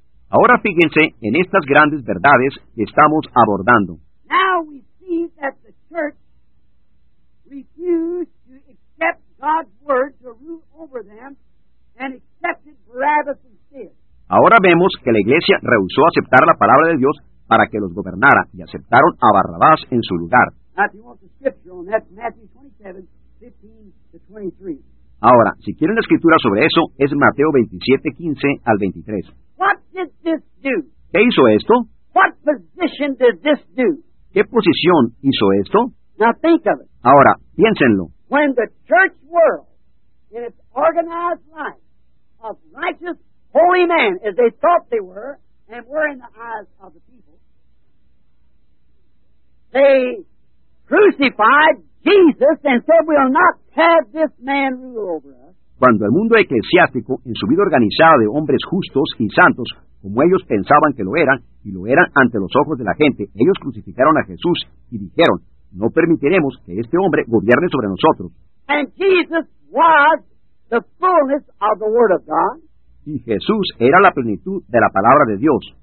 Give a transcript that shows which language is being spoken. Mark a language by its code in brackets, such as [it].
[es] Ahora fíjense en estas grandes verdades que estamos abordando. [en] Now we see that the church refused to accept God's word to rule over them and accepted Barabbas instead. [es] Ahora vemos que la iglesia rehusó aceptar la palabra de Dios para que los gobernara y aceptaron a Barrabás en su lugar. [en] Now, if you want the scripture on that, Matthew 27:15-23. [es] Ahora, si quieren la escritura sobre eso, es Mateo 27:15-23. [en] What did this do? [es] ¿Qué hizo esto? [en] What position did this do? [es] ¿Qué posición hizo esto? [en] Now think of it. [es] Ahora, piénsenlo. [en] When the church world, in its organized life of righteous, holy men, as they thought they were, and were in the eyes of the people, they crucified Jesus and said, we'll not have this man rule over us. [es] Cuando el mundo eclesiástico, en su vida organizada de hombres justos y santos, como ellos pensaban que lo eran, y lo eran ante los ojos de la gente, ellos crucificaron a Jesús y dijeron, no permitiremos que este hombre gobierne sobre nosotros. [en] And Jesus was the fullness of the word of God. [es] Y Jesús era la plenitud de la palabra de Dios.